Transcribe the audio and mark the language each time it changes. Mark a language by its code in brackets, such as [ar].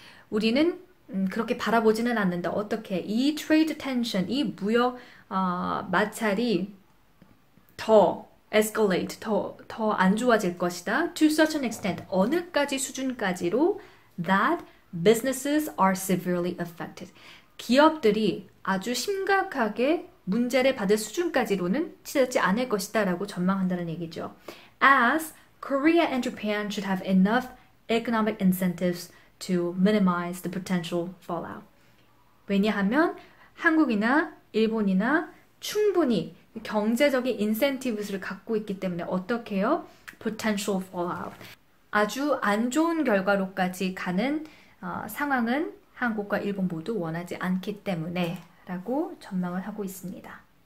[ko] 우리는 그렇게 바라보지는 않는다. 어떻게 이 트레이드 텐션, 이 무역 마찰이 더 에스컬레이트, 더안 좋아질 것이다. [en] To such an extent, [ko] 어느까지 수준까지로 [en] that businesses are severely affected. [ko] 기업들이 아주 심각하게 문제를 받을 수준까지로는 치닫지 않을 것이다라고 전망한다는 얘기죠. [en] As Korea and Japan should have enough economic incentives to minimize the potential fallout. [ko] 왜냐하면 한국이나 일본이나 충분히 경제적인 인센티브를 갖고 있기 때문에 어떻게요? [en] potential fallout. [ko] 아주 안 좋은 결과로까지 가는 상황은 한국과 일본 모두 원하지 않기 때문에 라고 전망을 하고 있습니다.